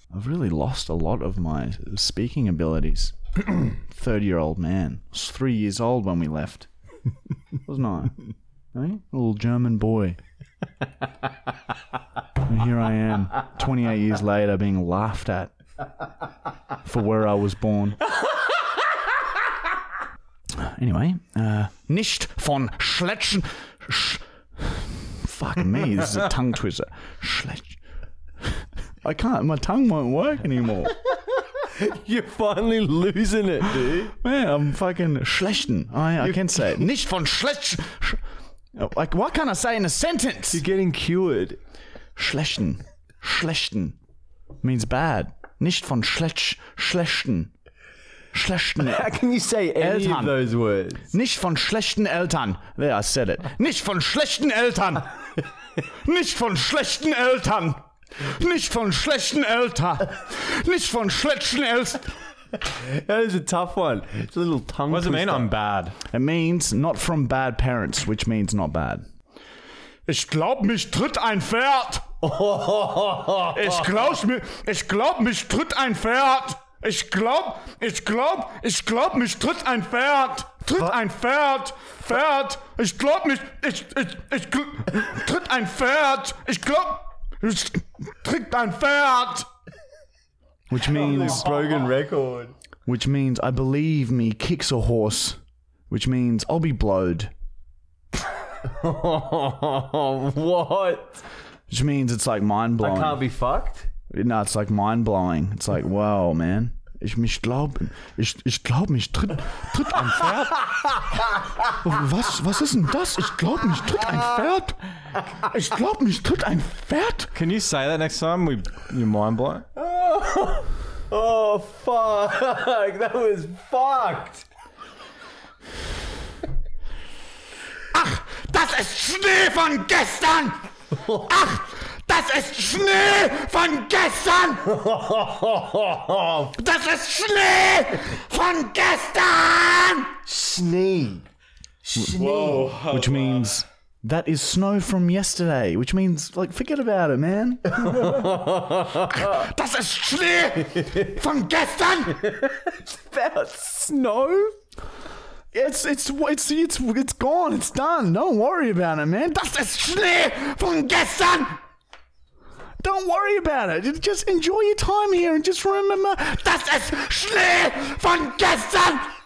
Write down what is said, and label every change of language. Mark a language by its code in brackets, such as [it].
[en] I've really lost a lot of my speaking abilities. 30-year-old man. I was 3 years old when we left. Wasn't I? A little German boy. And here I am, 28 years later, being laughed at for where I was born. [de] Anyway, nicht von Schletchen. [en] Fuck me, this is a tongue twister. Schletchen. I can't. My tongue won't work anymore. You're finally losing it, dude. Man, I'm fucking schlechten. I can't say it. [de] Nicht von schlechten. [en] Like, what can I say in a sentence? You're getting cured. [de] Schlechten. Schlechten. [en] Means bad. [de] Nicht von schlechten. Schlechten. [en] How can you say any [de] Eltern. [en] Of those words? [de] Nicht von schlechten Eltern. [en] There, I said it. [de] Nicht von schlechten Eltern. Nicht von schlechten Eltern. Nicht von schlechten Eltern. Nicht von schlechten Eltern. [en] That is a tough one. It's a little tongue twister. What does it mean, I'm bad? It means not from bad parents, which means not bad. [de] Ich glaub, mich tritt ein Pferd. Ich glaub, mich tritt ein Pferd. Ich glaub, mich tritt ein Pferd. Tritt ein Pferd. Pferd. Ich glaub, mich... Ich tritt ein Pferd. Ich glaub... Trick dein Pferd! [en] Which means... Broken record. Which means, I believe me kicks a horse. Which means, I'll be blowed. What? Which means it's like mind-blowing. I can't be fucked? No, it's like mind-blowing. It's like, wow, man. [de] Ich glaub, mich tritt ein Pferd. Was ist denn das? Ich glaub, mich tritt ein Pferd. Ich glaub, mich tritt ein Pferd. [en] Can you say that next time? You mind blown? Oh, fuck. That was fucked. [de] Ach, das ist Schnee von gestern. Ach. Das ist Schnee von gestern! Das ist Schnee von gestern! Schnee. Schnee. Whoa. [en] Which means, that is snow from yesterday. Which means, like, forget about it, man. [de] Das ist Schnee von gestern! [en] That snow? It's gone. It's done. Don't worry about it, man. [de] Das ist Schnee von gestern! [en] Don't worry about it. Just enjoy your time here and just remember... [de] Das ist Schnee von gestern!